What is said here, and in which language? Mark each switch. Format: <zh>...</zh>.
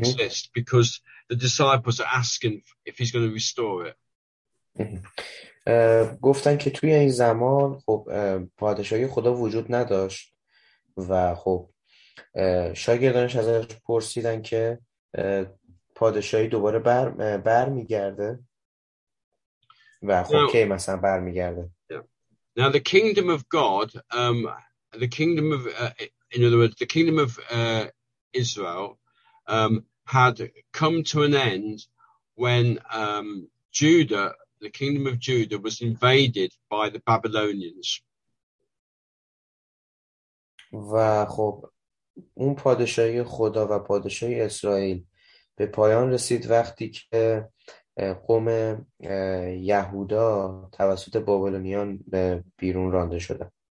<en>exist because the disciples are asking if he's going to restore it.</en> <fa>گفتن که توی این زمان خب پادشاهی خدا وجود نداشت. و خب شاگردانش ازش پرسیدن که پادشاهی دوباره بر میگرده و خب کی مثلا بر میگرده.</fa> <en>Yeah. Now, the kingdom of God, the kingdom of, in other words, the kingdom of Israel had come to an end when Judah, the kingdom of Judah, was invaded by the Babylonians.</en> <fa>و خب اون پادشاهی خدا و پادشاهی اسرائیل به پایان رسید وقتی که قوم یهودا توسط بابلونیان به بیرون رانده شدند.</fa>